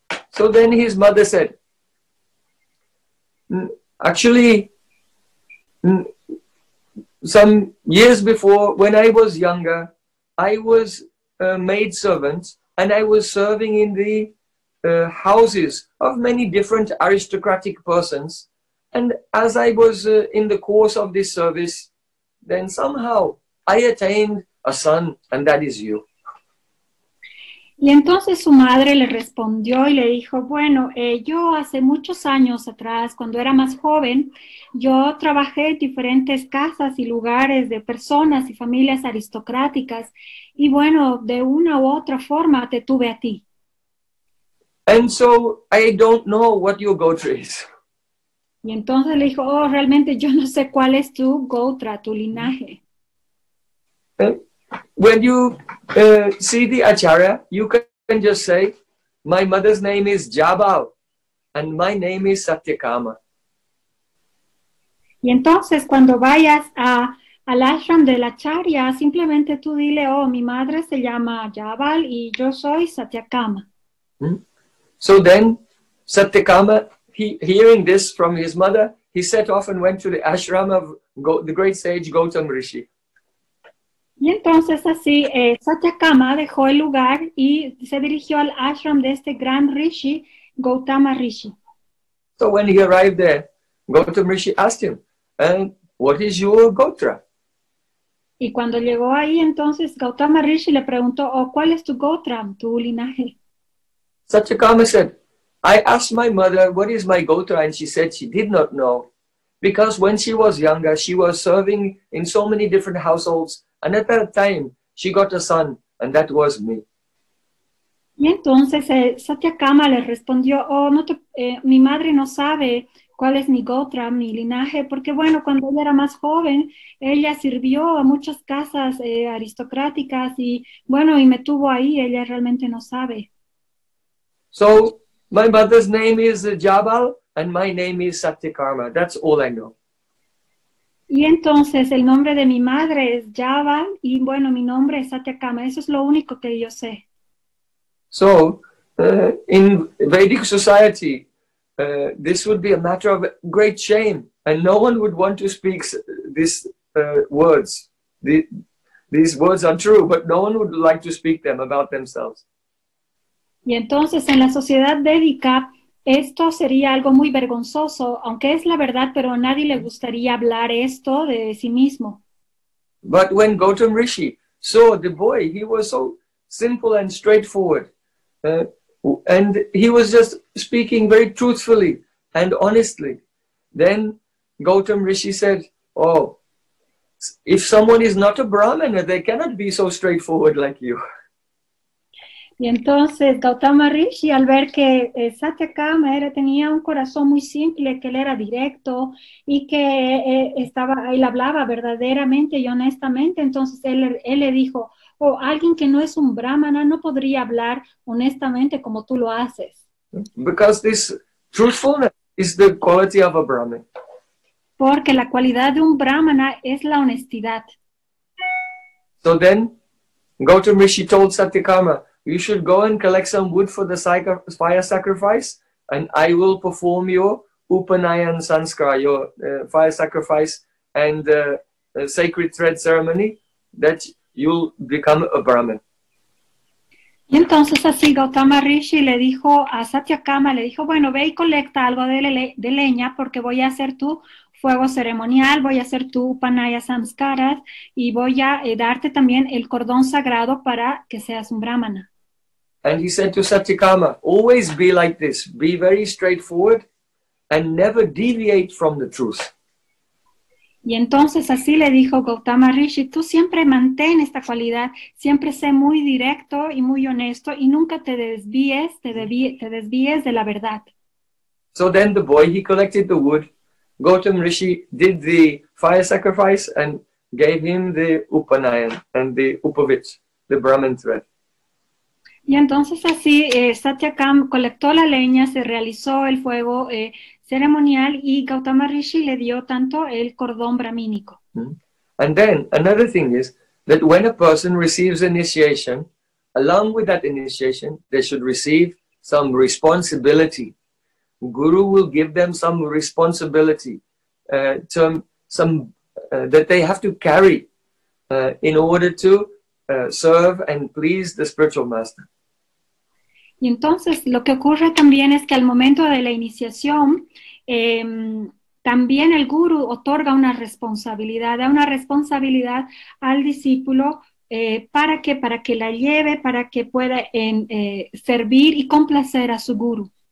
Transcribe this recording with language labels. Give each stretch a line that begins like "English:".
English: So then his mother said, actually, some years before, when I was younger, I was a maid servant and I was serving in the houses of many different aristocratic persons. And as I was in the course of this service, then somehow I attained a son, and that is you.
Spanish: Y entonces su madre le respondió y le dijo: "Bueno, yo hace muchos años atrás, cuando era más joven, yo trabajé en diferentes casas y lugares de personas y familias aristocráticas, y bueno, de una u otra forma te tuve a ti."
English: And so I don't know what your gotra is.
Spanish: Y entonces le dijo: "Oh, realmente yo no sé cuál es tu gotra, tu linaje."
English: When you see the acharya, you can just say, "My mother's name is Jabal, and my name is Satyakama."
Spanish: Y entonces, cuando vayas al ashram de la acharya, simplemente tú dile: "Oh, mi madre se llama Jabal y yo soy Satyakama."
English: So then, Satyakama, hearing this from his mother, he set off and went to the ashram of the great sage Gautama Rishi.
Spanish: Y entonces así, Satyakama dejó el lugar y se dirigió al ashram de este gran Rishi, Gautama Rishi.
English: So when he arrived there, Gautama Rishi asked him, "And what is your gotra?"
Spanish: Y cuando llegó ahí, entonces Gautama Rishi le preguntó: "Oh, ¿cuál es tu gotra, tu linaje?"
English: Satyakama said, "I asked my mother what is my gotra, and she said she did not know, because when she was younger, she was serving in so many different households. And at that time, she got a son, and that was me."
Spanish: Y entonces Satyakama le respondió: "Oh, mi madre no sabe cuál es mi gotra, mi linaje, porque bueno, cuando ella era más joven, ella sirvió a muchas casas aristocráticas y bueno, y me tuvo ahí, ella realmente no sabe."
English: So, my mother's name is Jabal, and my name is Satyakama. That's all I know.
Spanish: Y entonces, el nombre de mi madre es Java, y bueno, mi nombre es Satyakama. Eso es lo único que yo sé.
English: So, in Vedic society, this would be a matter of great shame, and no one would want to speak these words are true, but no one would like to speak them about themselves.
Spanish: Y entonces, en la sociedad védica, esto sería algo muy vergonzoso, aunque es la verdad, pero a nadie le gustaría hablar esto de sí mismo.
English: But when Gautama Rishi saw the boy, he was so simple and straightforward. And he was just speaking very truthfully and honestly. Then Gautama Rishi said, "Oh, if someone is not a Brahmana, they cannot be so straightforward like you."
Spanish: Y entonces Gautama Rishi, al ver que Satyakama tenía un corazón muy simple, que él era directo y que él hablaba verdaderamente y honestamente, entonces él le dijo: "Oh, alguien que no es un brahmana no podría hablar honestamente como tú lo haces."
English: Because this truthfulness is the quality of a brahmin.
Spanish: Porque la cualidad de un brahmana es la honestidad.
English: So then Gautama Rishi told Satyakama, "You should go and collect some wood for the fire sacrifice, and I will perform your Upanayan Sanskar, your fire sacrifice and sacred thread ceremony, that you'll become a Brahmin."
Spanish: Y entonces así Gautama Rishi le dijo a Satyakama, le dijo: "Bueno, ve y colecta algo de leña, porque voy a hacer tu fuego ceremonial, voy a hacer tu Upanaya Samskaras y voy a darte también el cordón sagrado para que seas un brahmana."
English: And he said to Satyakama, always be like this. Be very straightforward and never deviate from the truth.
Spanish: Y entonces así le dijo Gautama Rishi, tú siempre mantén esta cualidad, siempre sé muy directo y muy honesto y nunca te desvíes de la verdad.
English: So then the boy, he collected the wood. Gautama Rishi did the fire sacrifice and gave him the Upanayan and the Upavit, the Brahmin thread.
Spanish: Y entonces así Satyakam colectó la leña, se realizó el fuego ceremonial y Gautama Rishi le dio tanto el cordón brahmínico.
English: And then another thing is that when a person receives initiation, along with that initiation, they should receive some responsibility. Guru will give them some responsibility, that they have to carry in order to serve and please the spiritual master.
Spanish: Y entonces lo que ocurre también es que al momento de la iniciación también el guru otorga una responsabilidad al discípulo para que la lleve, para que pueda servir y complacer a su guru.